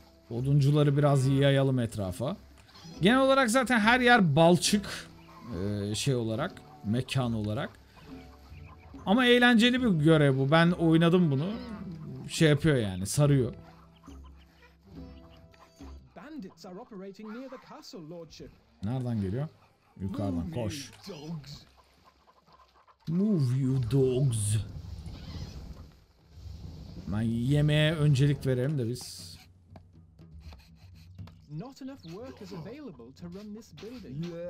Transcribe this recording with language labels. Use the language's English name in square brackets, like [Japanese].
[Turkish] Oduncuları biraz yayalım etrafa. Genel olarak zaten her yer balçık şey olarak, mekan olarak. Ama eğlenceli bir görev bu. Ben oynadım bunu. Şey yapıyor yani, sarıyor. [English] Bandits are operating near the castle lordship. [Turkish] Nereden geliyor? Yukarıdan. Koş. [English] Move you dogs. [Turkish] Ben yemeğe öncelik verelim de biz. [English] Not enough workers available to run this building.